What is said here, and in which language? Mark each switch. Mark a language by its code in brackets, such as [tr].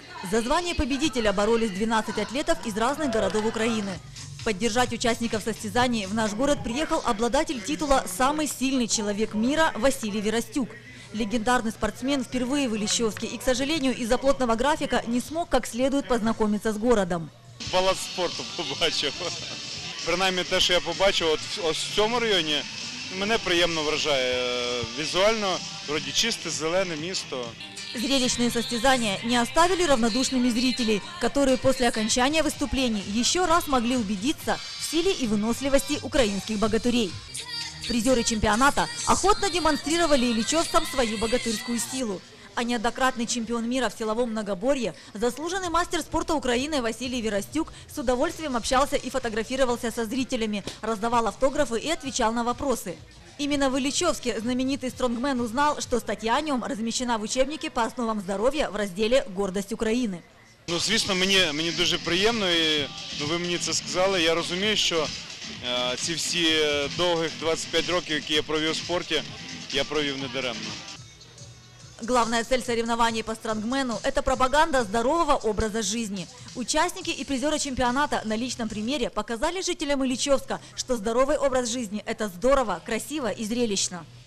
[ru] За звание победителя боролись 12 атлетов из разных городов Украины. Поддержать участников состязаний в наш город приехал обладатель титула «Самый сильный человек мира» Василий Верастюк. Легендарный спортсмен впервые в Ильичевске и, к сожалению, из-за плотного графика не смог как следует познакомиться с городом. [uk] Палац спорту побачив. Принаймні те, що я побачив, от ось в цьому районі мене приємно вражає. Візуально, вроді чисте, зелене місто. [ru] Зрелищные состязания не оставили равнодушными зрителей, которые после окончания выступлений еще раз могли убедиться в силе и выносливости украинских богатырей. Призеры чемпионата охотно демонстрировали ильичевцам свою богатырскую силу. А неоднократный чемпион мира в силовом многоборье, заслуженный мастер спорта Украины Василий Верастюк с удовольствием общался и фотографировался со зрителями, раздавал автографы и отвечал на вопросы. Именно в Ильичевске знаменитый стронгмен узнал, что статья о нем размещена в учебнике по основам здоровья в разделе «Гордость Украины». [uk] Ну, звісно, мені дуже приємно, і ви мені це сказали. Я розумію, що ці всі довгих 25 років, які я провів у спорті, я провів не даремно. [ru] Главная цель соревнований по стронгмену – это пропаганда здорового образа жизни. Участники и призеры чемпионата на личном примере показали жителям Ильичевска, что здоровый образ жизни – это здорово, красиво и зрелищно.